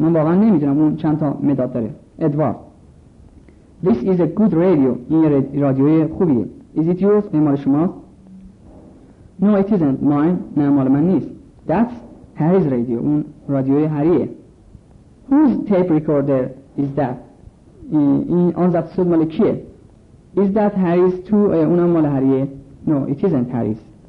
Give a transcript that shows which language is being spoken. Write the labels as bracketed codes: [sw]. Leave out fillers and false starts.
[fa] من واقعا نمیدونم اون چند تا مداد داره. [en] Edward. This is a good radio. [fa] این رادیوی خوبیه. [en] Is it yours? [fa] مال شما؟ [en] No, it isn't. [fa] Mine. نه مال من نیست. [en] That's Harry's radio. [fa] اون رادیوی هریه. [en] Whose tape recorder is that? [fa] این آن ضبط صوت مال کیه؟ [en] Is that Harry's too? [fa] اونم مال هریه؟ [en] No, it isn't Harry's.